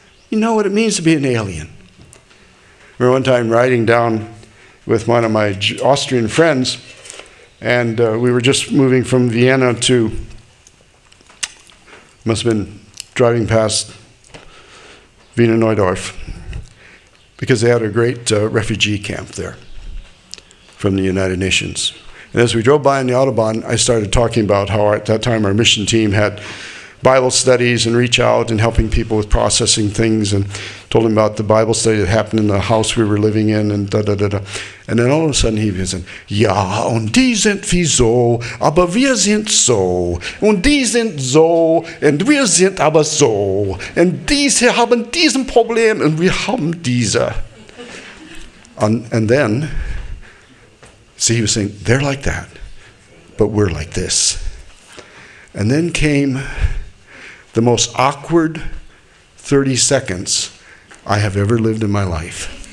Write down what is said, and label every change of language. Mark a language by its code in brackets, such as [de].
[en] You know what it means to be an alien. I remember one time riding down with one of my Austrian friends, and we were just moving from Vienna to, must have been driving past Wiener Neudorf, because they had a great refugee camp there from the United Nations. And as we drove by on the Autobahn, I started talking about how at that time our mission team had Bible studies and reach out and helping people with processing things, and told him about the Bible study that happened in the house we were living in, and da da da da. And then all of a sudden he was in, [de] ja, und die sind wie so, aber wir sind so, und die sind so, and wir sind aber so, and diese haben diesen Problem, and wir haben diese. [en] And then, see, he was saying, they're like that, but we're like this. And then came the most awkward 30 seconds I have ever lived in my life.